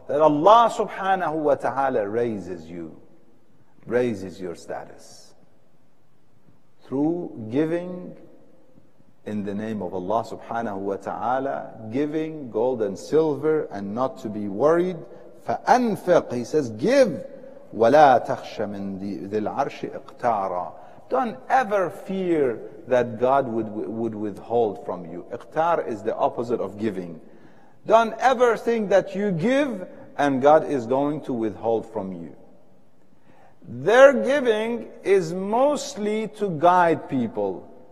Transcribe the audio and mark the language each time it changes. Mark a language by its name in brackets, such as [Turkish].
[English] That Allah subhanahu wa ta'ala raises you, raises your status through giving in the name of Allah subhanahu wa ta'ala, giving gold and silver and not to be worried. [Arabic] فأنفق, [English] he says, give. [Arabic] ولا تخش من ذي العرش اقتارا. [English] Don't ever fear that God would withhold from you. Iqtar is the opposite of giving. Don't ever think that you give and God is going to withhold from you. Their giving is mostly to guide people.